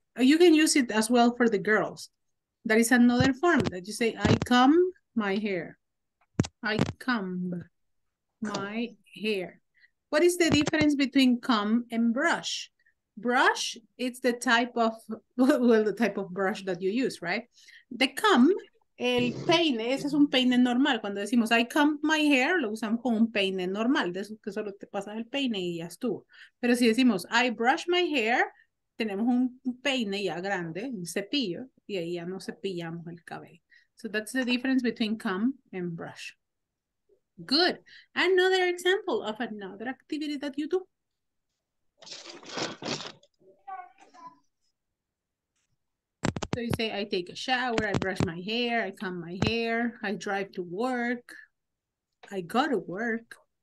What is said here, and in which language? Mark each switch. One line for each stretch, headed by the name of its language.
English: You can use it as well for the girls. That is another form that you say, I comb my hair. I comb my hair. What is the difference between comb and brush? Brush, it's the type of, well, the type of brush that you use, right?
Spanish: The comb, el peine, ese es un peine normal. Cuando decimos,
English: I comb my hair,
Spanish: lo usamos como un peine normal, de eso que solo te pasas el peine y ya estuvo. Pero si decimos,
English: I brush my hair,
Spanish: tenemos un peine ya grande, un cepillo, y ahí ya no cepillamos el cabello.
English: So that's the difference between comb and brush. Good. Another example of another activity that you do. So you say, I take a shower, I brush my hair, I comb my hair, I drive to work, I go to work.